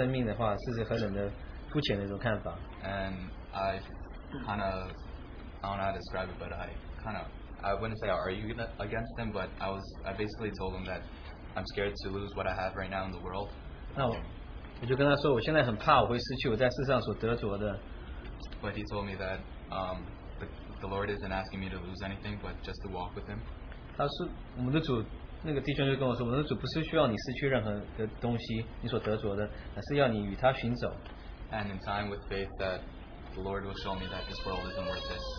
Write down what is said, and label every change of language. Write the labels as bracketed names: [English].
[Chinese] 那你说你在这么简短的80年，你失去你的生命的话，是何等的肤浅的一种看法？ [English] And I kind of, I don't know how to describe it, but I kind of, I wouldn't say I argued against them, but I basically told them that I'm scared to lose what I have right now in the world. [Chinese] 那我就跟他说，我现在很怕我会失去我在世上所得着的。 [English] But he told me that the Lord isn't asking me to lose anything, but just to walk with Him. [Chinese] 他是我们的主，那个弟兄就跟我说，我们的主不是需要你失去任何的东西，你所得着的，而是要你与他寻走。And [English] in time with faith, that the Lord will show me that this world isn't worth this.